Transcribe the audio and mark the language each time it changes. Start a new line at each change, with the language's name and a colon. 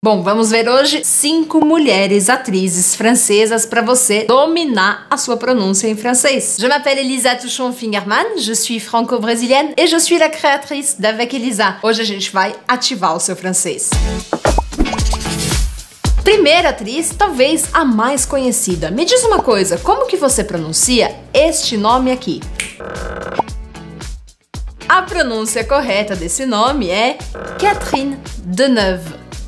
Portuguese: Bom, vamos ver hoje cinco mulheres atrizes francesas para você dominar a sua pronúncia em francês.
French: Je m'appelle Elisa Touchon-Fingerman, je suis franco-brésilienne et je suis la créatrice d'Avec Elisa.
Portuguese: Hoje a gente vai ativar o seu francês. Primeira atriz, talvez a mais conhecida. Me diz uma coisa, como que você pronuncia este nome aqui? A pronúncia correta desse nome é Catherine Deneuve.